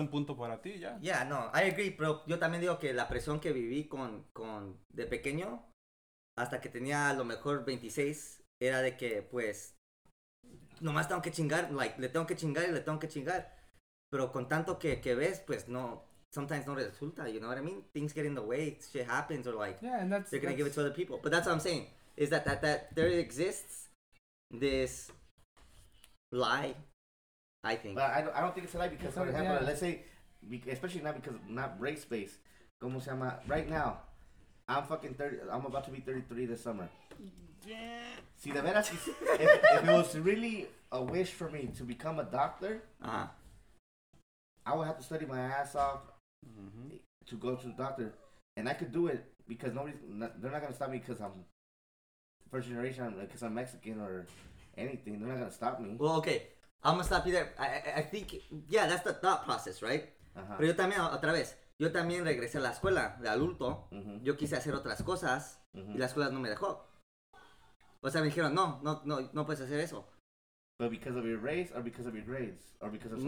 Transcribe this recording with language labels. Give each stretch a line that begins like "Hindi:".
Spanish: un punto para ti, ya. Yeah, no, I agree, pero yo también digo que la presión que viví con de pequeño, hasta que tenía a lo mejor 26, era de que, pues, nomás tengo que chingar, like, le tengo que chingar y le tengo que chingar. Pero con tanto que ves, pues, no, sometimes no resulta, you know what I mean?
English: Things get in the way, shit happens, or like, yeah, and that's, they're going to give it to other people. But that's what I'm saying, is that there exists this lie, I think. But I don't think it's a lie because, for example, yeah. Let's say, especially not because, not race based. ¿Cómo se llama? Right now, I'm fucking 30, I'm about to be 33 this summer. Yeah. Si de veras, if it was really a wish for me to become a doctor, uh-huh. I would have to study my ass off to go to the doctor. And I could do it because they're not going to stop me because I'm first generation, because I'm Mexican or anything. They're not gonna stop me. Well, okay, I'm gonna stop you there. I think, yeah, that's the thought process, right? Uh-huh.
Spanish: Pero yo también, otra vez, yo también regresé a la escuela de adulto. Uh-huh. Yo quise hacer otras cosas uh-huh. y la escuela no me dejó. O sea, me dijeron, no puedes hacer eso.
English: But because of your race or because of your grades or because of something